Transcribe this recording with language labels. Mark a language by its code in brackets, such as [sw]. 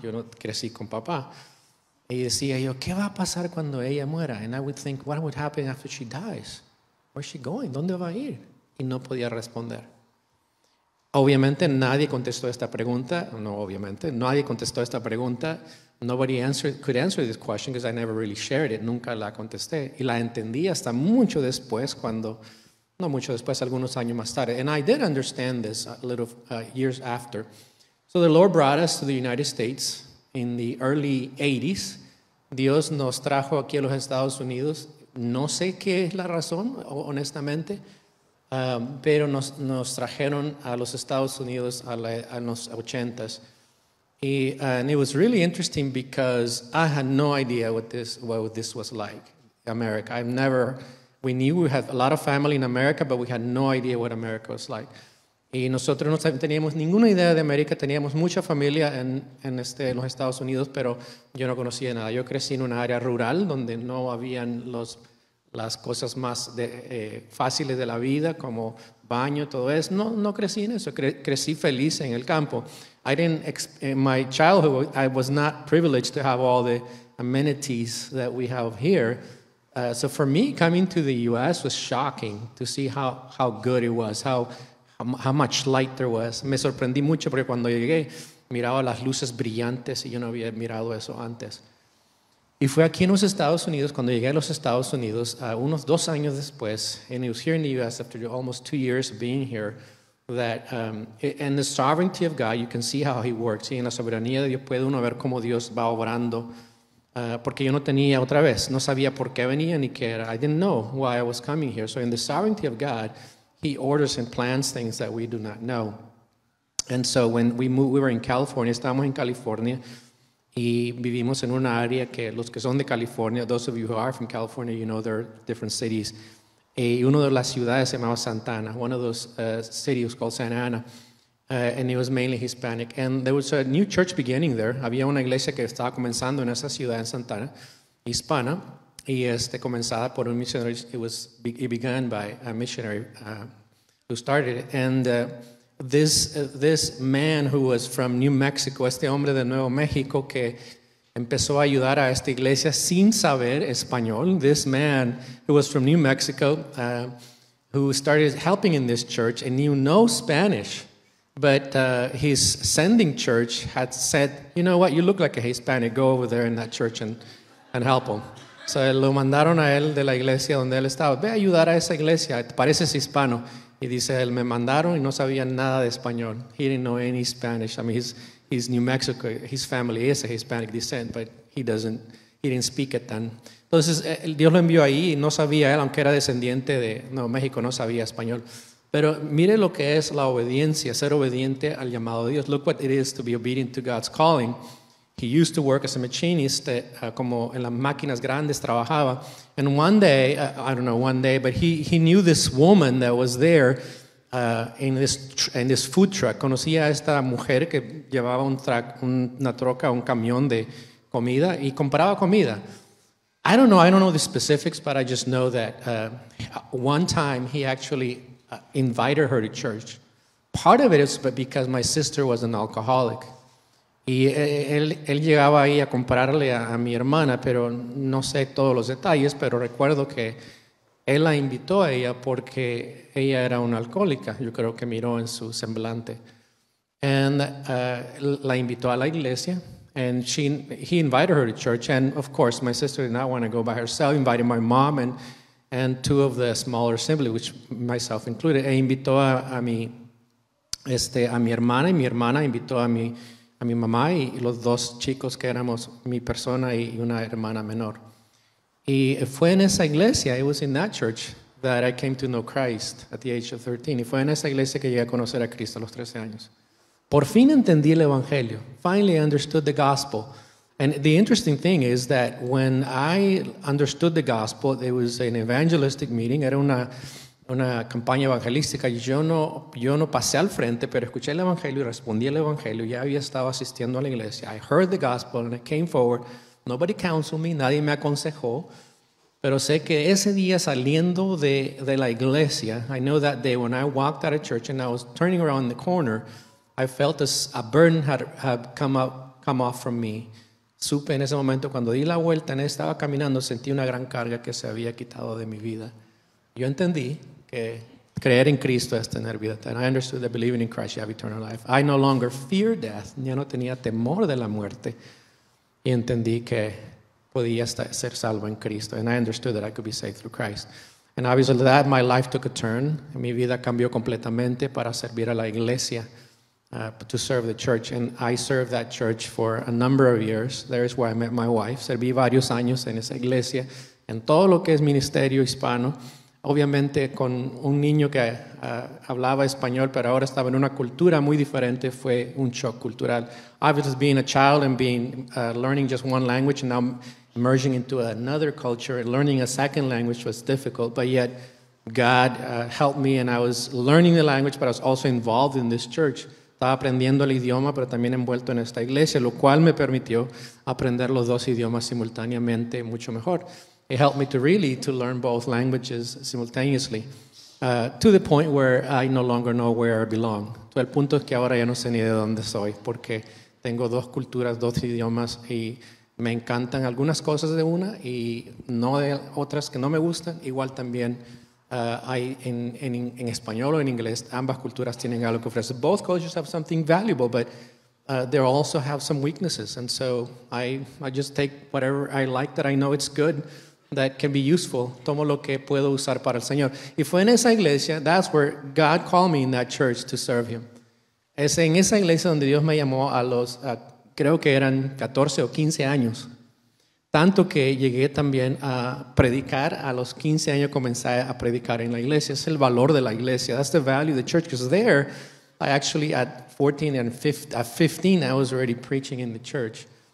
[es] Yo no crecí con papá. Y decía yo, ¿qué va a pasar cuando ella muera? [en] And I would think, what would happen after she dies? Where's she going? [es] ¿Dónde va a ir? Y no podía responder. Obviamente nadie contestó esta pregunta. No, obviamente. Nadie contestó esta pregunta. [en] Nobody could answer this question because I never really shared it. [es] Nunca la contesté. Y la entendí hasta mucho después cuando No mucho después, algunos años más tarde. [en] And I did understand this a little years after. So the Lord brought us to the United States in the early 80s. [es] Dios nos trajo aquí a los Estados Unidos. No sé qué es la razón, honestamente, pero nos trajeron a los Estados Unidos a los 80s. [en] And it was really interesting because I had no idea what this was like, America. We knew we had a lot of family in America, but we had no idea what America was like. [es] Y nosotros no teníamos ninguna idea de América. Teníamos mucha familia en los Estados Unidos, pero yo no conocía nada. Yo crecí en una área rural donde no habían las cosas más fáciles de la vida, como baño, todo eso. No crecí en eso. Crecí feliz en el campo. [en] In my childhood, I was not privileged to have all the amenities that we have here. So for me, coming to the U.S. was shocking to see how good it was, how much light there was. [es] Me sorprendí mucho porque cuando llegué, miraba las luces brillantes y yo no había mirado eso antes. Y fue aquí en los Estados Unidos, cuando llegué a los Estados Unidos, unos dos años después, [en] and it was here in the U.S. after almost 2 years of being here, that and the sovereignty of God, you can see how he works. [es] Y en la soberanía de Dios puede uno ver cómo Dios va obrando. Porque yo no tenía otra vez, no sabía por qué venía ni qué era. [en] I didn't know why I was coming here. So in the sovereignty of God, he orders and plans things that we do not know. And so when we moved, we were in California, [es] estábamos en California, y vivimos en una área que los que son de California, [en] those of you who are from California, you know there are different cities. [es] Y una de las ciudades se llamaba Santa Ana, [en] one of those cities was called Santa Ana. And it was mainly Hispanic. And there was a new church beginning there. [es] Había una iglesia que estaba comenzando en esa ciudad, en Santa Ana, hispana. Y comenzada por un missionary. [en] It began by a missionary who started it. And this man who was from New Mexico, [es] este hombre de Nuevo México que empezó a ayudar a esta iglesia sin saber español. [en] This man who was from New Mexico, who started helping in this church and knew no Spanish. But his sending church had said, you know what, you look like a Hispanic, go over there in that church and help him. [es] So lo mandaron a él de la iglesia donde él estaba, ve a ayudar a esa iglesia, te pareces hispano. Y dice, él me mandaron y no sabía nada de español. [en] He didn't know any Spanish. I mean, he's New Mexico, his family is a Hispanic descent, but he didn't speak it then. [es] Entonces, Dios lo envió ahí y no sabía él, aunque era descendiente de Nuevo México, no sabía español. Pero mire lo que es la obediencia, ser obediente al llamado de Dios. [en] Look what it is to be obedient to God's calling. He used to work as a machinist, [es] como en las máquinas grandes trabajaba. [en] And one day, I don't know, one day, but he knew this woman that was there in this food truck. [es] Conocía a esta mujer que llevaba un camión de comida y compraba comida. [en] I don't know the specifics, but I just know that one time he actually invited her to church. Part of it is because my sister was an alcoholic. [es] Y él llegaba ahí a comprarle a mi hermana, pero no sé todos los detalles, pero recuerdo que él la invitó a ella porque ella era una alcohólica. Yo creo que miró en su semblante. And la invitó a la iglesia, [en] and he invited her to church. And of course, my sister did not want to go by herself. He invited my mom and two of the smaller siblings, which myself included, [es] e invitó a mi hermana, y mi hermana invitó a mi mamá y los dos chicos que éramos mi persona y una hermana menor. Y fue en esa iglesia, [en] it was in that church, that I came to know Christ at the age of 13. [es] Y fue en esa iglesia que llegué a conocer a Cristo a los 13 años. Por fin entendí el Evangelio. [en] Finally understood the gospel. And the interesting thing is that when I understood the gospel, it was an evangelistic meeting. [es] Era una campaña evangelística. Yo no pasé al frente, pero escuché el evangelio y respondí al evangelio. Ya había estado asistiendo a la iglesia. [en] I heard the gospel and I came forward. Nobody counseled me. [es] Nadie me aconsejó. Pero sé que ese día saliendo de la iglesia, [en] I know that day when I walked out of church and I was turning around the corner, I felt a burden had come off from me. [es] Supe en ese momento, cuando di la vuelta y estaba caminando, sentí una gran carga que se había quitado de mi vida. Yo entendí que creer en Cristo es tener vida eterna. [en] I understood that believing in Christ you have eternal life. I no longer fear death. [es] Ya no tenía temor de la muerte. Y entendí que podía ser salvo en Cristo. [en] And I understood that I could be saved through Christ. And obviously that my life took a turn. [es] Mi vida cambió completamente para servir a la iglesia, [en] to serve the church. And I served that church for a number of years. There is where I met my wife. [es] Serví varios años en esa iglesia, en todo lo que es ministerio hispano. Obviamente con un niño que hablaba español, pero ahora estaba en una cultura muy diferente, fue un shock cultural. [en] Obviously being a child and being learning just one language and now emerging into another culture and learning a second language was difficult, but yet God helped me and I was learning the language, but I was also involved in this church. [es] Estaba aprendiendo el idioma, pero también envuelto en esta iglesia, lo cual me permitió aprender los dos idiomas simultáneamente mucho mejor. [en] It helped me to really to learn both languages simultaneously, to the point where I no longer know where I belong. [es] To el punto es que ahora ya no sé ni de dónde soy, porque tengo dos culturas, dos idiomas, y me encantan algunas cosas de una y no de otras que no me gustan. Igual también hay en español o en inglés, ambas culturas tienen algo que ofrecer. [en] Both cultures have something valuable, but they also have some weaknesses. And so I just take whatever I like that I know it's good, that can be useful. [es] Tomo lo que puedo usar para el Señor. Y fue en esa iglesia, [en] that's where God called me in that church to serve Him. [es] Es en esa iglesia donde Dios me llamó a los, creo que eran 14 o 15 años. Tanto que llegué también a predicar, a los 15 años comencé a predicar en la iglesia. Es el valor de la iglesia. [en] That's the value of the church. Because there, I actually at 14 and 15, at 15, I was already preaching in the church.